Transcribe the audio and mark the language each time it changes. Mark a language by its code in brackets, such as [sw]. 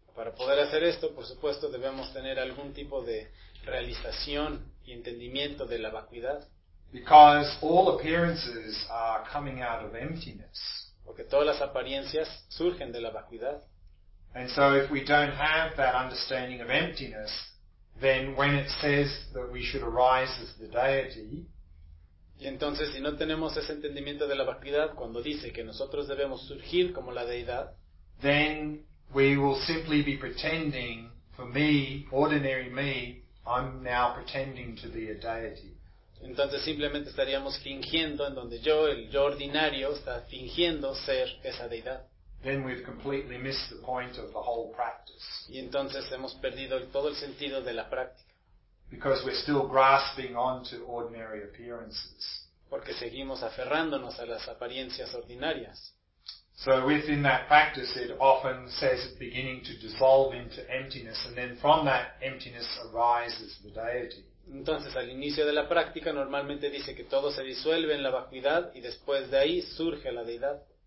[es] Para poder hacer esto, por supuesto, debemos tener algún tipo de realización y entendimiento de la vacuidad. [en] Because all appearances are coming out of emptiness. [es] Porque todas las apariencias surgen de la vacuidad. [en] And so if we don't have that understanding of emptiness, then when it says that we should arise as the deity, [es] y entonces si no tenemos ese entendimiento de la vacuidad cuando dice que nosotros debemos surgir como la deidad, [en] then we will simply be pretending, for me, ordinary me, I'm now pretending to be a deity. [es] Entonces simplemente estaríamos fingiendo en donde yo, el yo ordinario, está fingiendo ser esa deidad. [en] Then we've completely missed the point of the whole practice. [es] Y entonces hemos perdido todo el sentido de la práctica. [en] Because we're still grasping on to ordinary appearances. [es] Porque seguimos aferrándonos a las apariencias ordinarias. [en] So within that practice it often says it's beginning to dissolve into emptiness, and then from that emptiness arises the deity. [es] Entonces al inicio de la práctica normalmente dice que todo se disuelve en la vacuidad y después de ahí surge la deidad.